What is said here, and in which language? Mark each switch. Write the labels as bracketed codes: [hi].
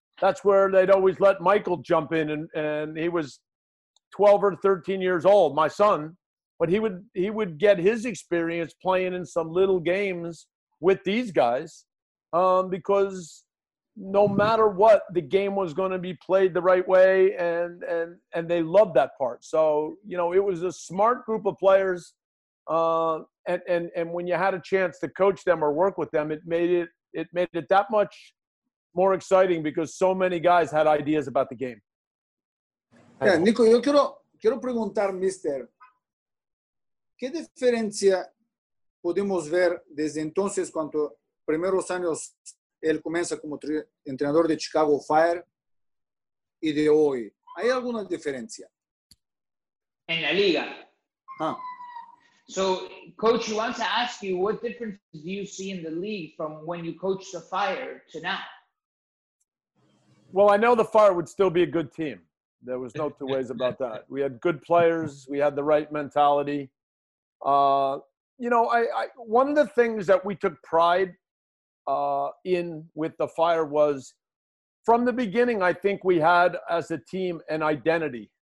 [en] That's where they'd always let Michael jump in, and he was 12 or 13 years old, my son, but he would get his experience playing in some little games with these guys, because no matter what, the game was going to be played the right way, and they loved that part. So, you know, it was a smart group of players. And when you had a chance to coach them or work with them, it made it that much more exciting because so many guys had ideas about the game. [es] Yeah, Nico, yo quiero preguntar, Mister, ¿qué diferencia podemos ver desde entonces cuando primeros años él comienza como entrenador de Chicago Fire y de hoy? ¿Hay alguna diferencia? En la liga. Huh. [en] So, Coach, he wants to ask you, what difference do you see in the league from when you coached the Fire to now? Well, I know the Fire would still be a good team. There was no two ways about that. We had good players. We had the right mentality. I one of the things that we took pride in with the Fire was, from the beginning, I think we had, as a team, an identity.